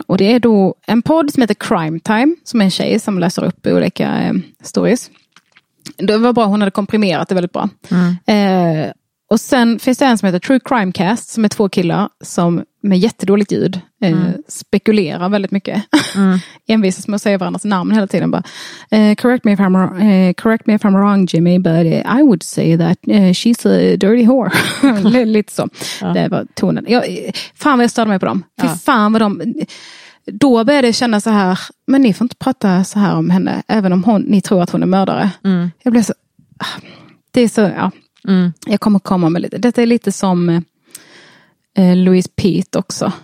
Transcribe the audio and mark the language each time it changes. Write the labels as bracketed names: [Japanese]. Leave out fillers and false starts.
[Swedish] Och det är då en podd som heter Crime Time. Som är en tjej som läser upp olika stories. Det var bra, hon hade komprimerat det väldigt bra. Mm. Och sen finns det en som heter True Crime Cast. Som är 2 killar som... med jättedåligt ljud, spekulerar väldigt mycket. Mm. Envisas med att säga varandras namn hela tiden. Bara, [English] correct me if I'm wrong, Jimmy, but I would say that she's a dirty whore. [Swedish] Lite så. Ja. Det var tonen. Ja, fan vad jag störde mig på dem. Ja. Fan vad de... Då började jag känna så här, men ni får inte prata så här om henne, även om hon, ni tror att hon är mördare. Mm. Jag blev så... Det är så, ja. Mm. Jag kommer komma med lite. Detta är lite som... Louise Pete också.